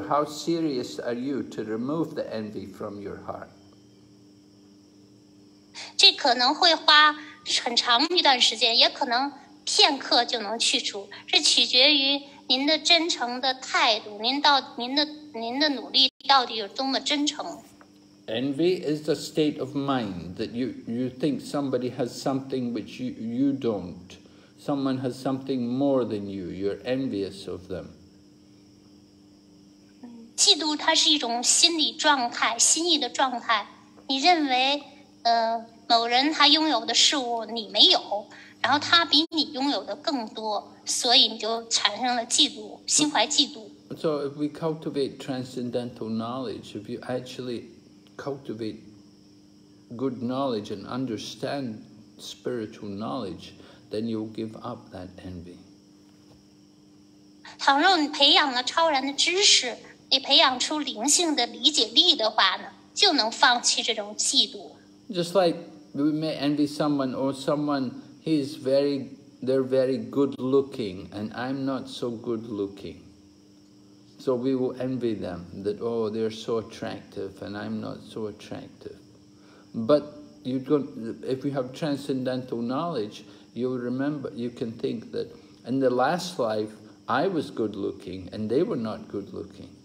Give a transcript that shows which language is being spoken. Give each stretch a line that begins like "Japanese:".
English: How serious are you to remove the envy from your heart?
Chinese: 这可能会花很长一段时间，也可能片刻就能去除，这取决于。您的真诚的态度，您的努力到底有多么真诚？
English: Envy is the state of mind that you think somebody has something which you don't. Someone has something more than you. You're envious of them.
Chinese: 嫉妒它是一种心理状态，心意的状态。你认为，某人他拥有的事物你没有，然后他比你拥有的更多。所以你就产生了嫉妒，心怀嫉妒。
English: So if we cultivate transcendental knowledge, if you actually cultivate good knowledge and understand spiritual knowledge, then you'll give up that envy.
Chinese: 倘若你培养了超然的知识，你培养出灵性的理解力的话呢，就能放弃这种嫉妒。
English: Just like we may envy someone or someone he's very They're very good looking, and I'm not so good looking. So we will envy them that, oh, they're so attractive, and I'm not so attractive. But if you have transcendental knowledge, you'll remember, you can think that in the last life, I was good looking, and they were not good looking.